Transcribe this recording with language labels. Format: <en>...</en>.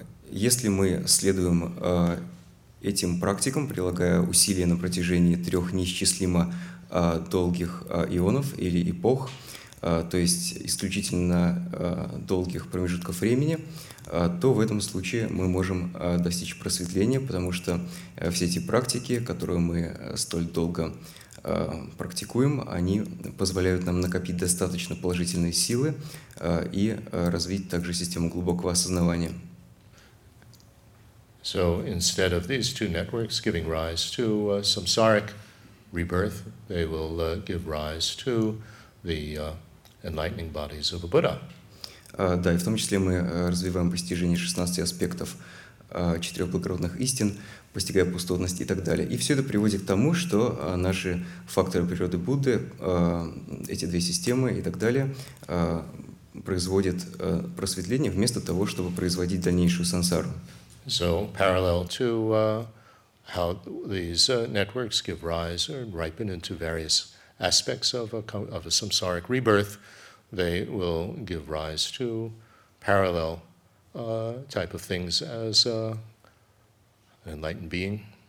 <ru>Если мы следуем этим практикам, прилагая усилия на протяжении трех неисчислимо долгих ионов или эпох, то есть исключительно долгих промежутков времени, то в этом случае мы можем достичь просветления, потому что все эти практики, которые мы столь долго практикуем, они позволяют нам накопить достаточно положительной силы и развить также систему глубокого осознавания.</ru> <en>So instead of these two networks giving rise to samsaric rebirth, they will give rise to the enlightening bodies of a Buddha.</en> <ru>Да, и в том числе мы развиваем постижение 16 аспектов четырех благородных истин, постигая пустотность и так далее. И все это приводит к тому, что наши факторы природы Будды, эти две системы и так далее, производят просветление вместо того, чтобы производить дальнейшую сансару.</ru> <en>So, parallel to how these networks give rise or ripen into various aspects of a samsaric rebirth, they will give rise to parallel type of things as an enlightened being.</en>